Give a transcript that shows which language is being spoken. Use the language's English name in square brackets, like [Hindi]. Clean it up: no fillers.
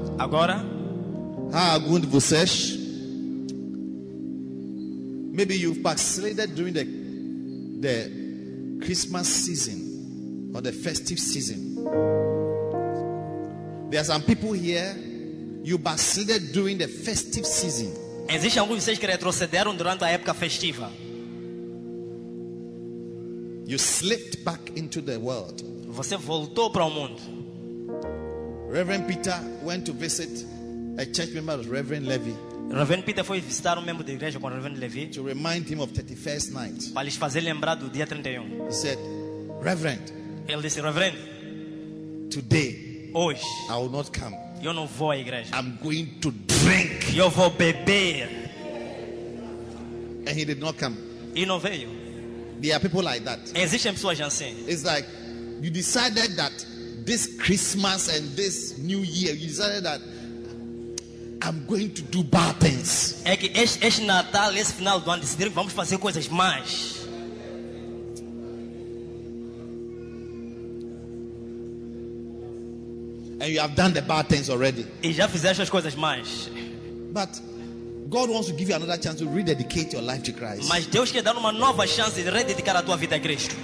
[Portuguese] Algum de vocês, [English] maybe you've backslided during the Christmas season or the festive season. There are some people here, you backslided during the festive season. [Portuguese] Existem alguns de vocês que retrocederam durante a época festiva. [English] You slipped back into the world. [Portuguese] Você voltou para o mundo. [English] Reverend Peter went to visit a church member of Reverend Levy. [Portuguese] Reverend Peter foi visitar membro da igreja com Reverend Levy. [English] To remind him of 31st night. [Portuguese] Para lhes fazer lembrar do dia 31. [English] He said, Reverend. [Portuguese] Ele disse, Reverend. [English] Today. [Portuguese] Hoje. [English] I will not come. [Portuguese] Eu não vou à igreja. [English] I'm going to drink. [Portuguese] Eu vou beber. [English] And he did not come. [Portuguese] Ele não veio. [English] There are people like that. [Portuguese] Existem pessoas assim. [English] It's like you decided that this Christmas and this New Year, you decided that I'm going to do bad things. [Portuguese] É que este Natal, esse final do ano, decidiram vamos fazer coisas más. [English] And you have done the bad things already. [Portuguese] E já fizeste as coisas más. [English] But God wants to give you another chance to rededicate your life to Christ. [Portuguese] Mas Deus quer dar uma nova chance de rededicar a tua vida a Cristo.